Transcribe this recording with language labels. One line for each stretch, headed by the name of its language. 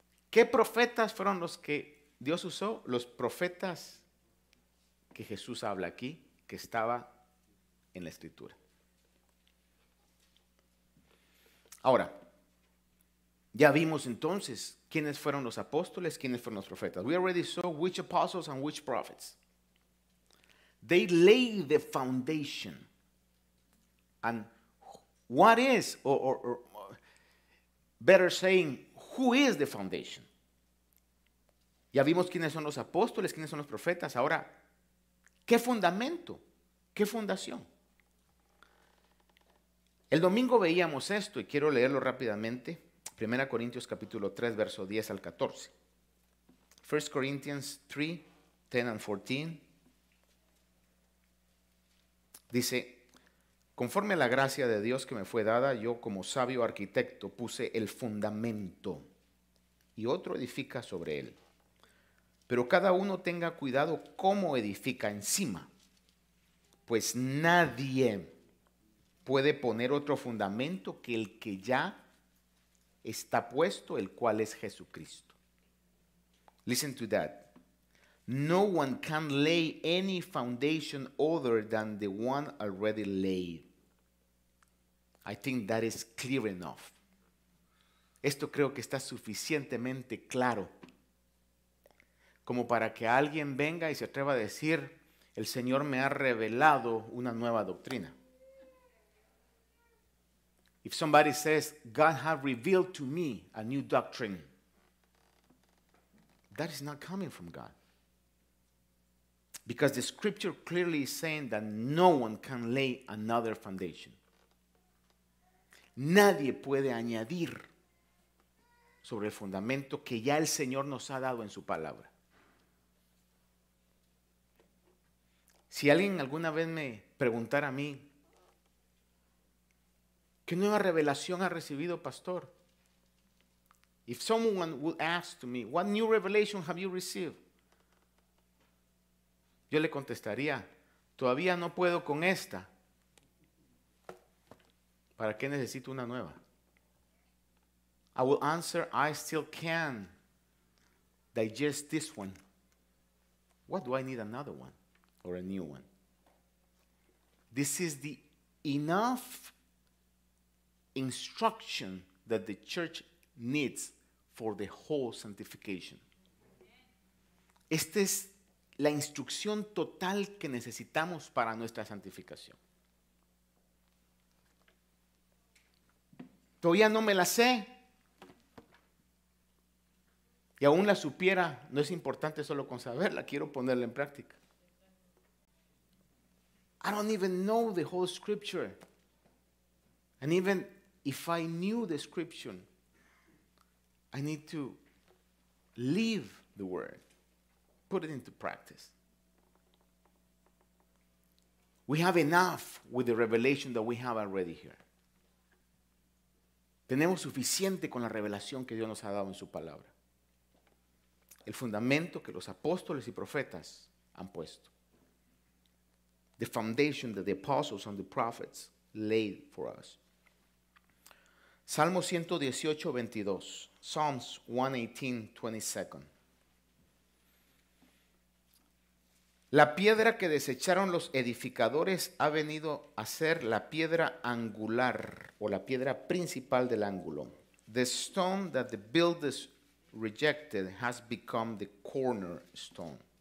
Spanish: ¿Qué profetas fueron los que Dios usó? Los profetas que Jesús habla aquí, que estaba en la escritura. Ahora, ya vimos entonces quiénes fueron los apóstoles, quiénes fueron los profetas.
English: We already saw which apostles and which prophets. They laid the foundation. And what is, or better saying, who is the foundation?
Spanish: Ya vimos quiénes son los apóstoles, quiénes son los profetas. Ahora, ¿qué fundamento? ¿Qué fundación? El domingo veíamos esto y quiero leerlo rápidamente. 1 Corintios capítulo 3, verso 10 al 14.
English: 1 Corinthians 3, 10 and 14.
Spanish: Dice, conforme a la gracia de Dios que me fue dada, yo como sabio arquitecto puse el fundamento y otro edifica sobre él. Pero cada uno tenga cuidado cómo edifica encima, pues nadie puede poner otro fundamento que el que ya está puesto, el cual es Jesucristo.
English: Listen to that. No one can lay any foundation other than the one already laid. I think that is clear enough.
Spanish: Esto creo que está suficientemente claro como para que alguien venga y se atreva a decir, el Señor me ha revelado una nueva doctrina.
English: If somebody says, God has revealed to me a new doctrine, that is not coming from God. Because the scripture clearly is saying that no one can lay another foundation.
Spanish: Nadie puede añadir sobre el fundamento que ya el Señor nos ha dado en su palabra. Si alguien alguna vez me preguntara a mí, ¿qué nueva revelación ha recibido, pastor?
English: If someone would ask to me, what new revelation have you received?
Spanish: Yo le contestaría, todavía no puedo con esta. ¿Para qué necesito una nueva?
English: I will answer, I still can digest this one. What do I need another one or a new one? This is the enough instruction that the church needs for the whole sanctification.
Spanish: Esta es la instrucción total que necesitamos para nuestra santificación. Todavía no me la sé. Y aún la supiera, no es importante solo con saberla, quiero ponerla en práctica.
English: I don't even know the whole scripture. And even if I knew the scripture, I need to live the word, put it into practice. We have enough with the revelation that we have already here.
Spanish: Tenemos suficiente con la revelación que Dios nos ha dado en su palabra. El fundamento que los apóstoles y profetas han puesto.
English: The foundation that the apostles and the prophets laid for us.
Spanish: Salmo 118, 22.
English: Psalms 118, 22.
Spanish: La piedra que desecharon los edificadores ha venido a ser la piedra angular o la piedra principal del ángulo.
English: The stone that the builders rejected has become the cornerstone.